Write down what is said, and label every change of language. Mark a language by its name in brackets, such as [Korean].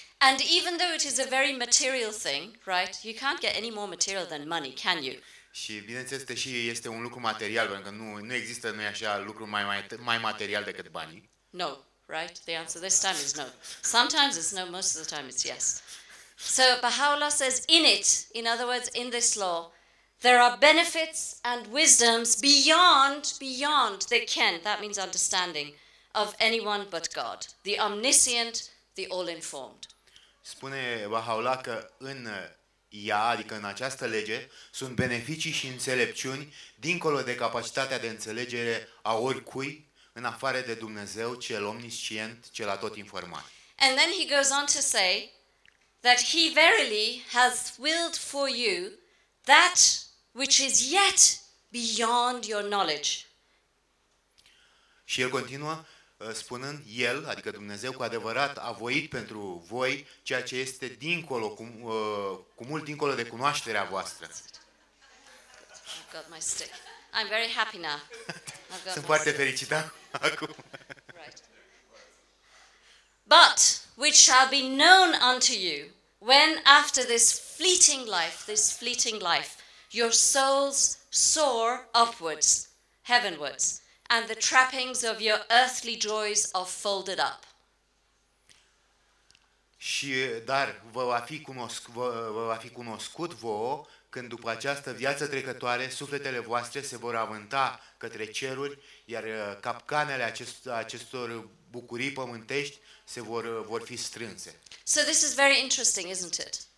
[English] And even though it is a very material thing, right, you can't get any more material than money, can you? [Romanian] Și bineînțeles că și este un lucru material, pentru că nu există, nu-i așa, lucru mai material decât banii. [English] No. Right? The answer this time is no. Sometimes it's no, most of the time it's yes. So Baha'u'llah says, in other words, in this law, there are benefits and wisdoms beyond the ken, that means understanding, of anyone but God, the omniscient, the all-informed. [Romanian] Spune Baha'u'llah că în ea, adică în această lege, sunt beneficii și înțelepciuni dincolo de capacitatea de înțelegere a oricui, în afară de Dumnezeu, cel omniscient, cel atot informat. [English] And then he goes on to say that he verily has willed for you that which is yet beyond your knowledge. [Romanian] Și el continuă spunând, el, adică Dumnezeu, cu adevărat a voit pentru voi ceea ce este dincolo, cu mult dincolo de cunoașterea voastră. [English] I've got my stick. I'm very happy now. [Romanian] Sunt foarte fericit acum. [English] Right. But which shall be known unto you when after this fleeting life, your souls soar upwards, heavenwards, and the trappings of your earthly joys are folded up. [Romanian] Și dar vă va fi cunoscut vouă când după această viață trecătoare sufletele voastre se vor avânta către ceruri, iar capcanele acestor bucurii pământești se vor fi strânse. [English] So this is very interesting, isn't it?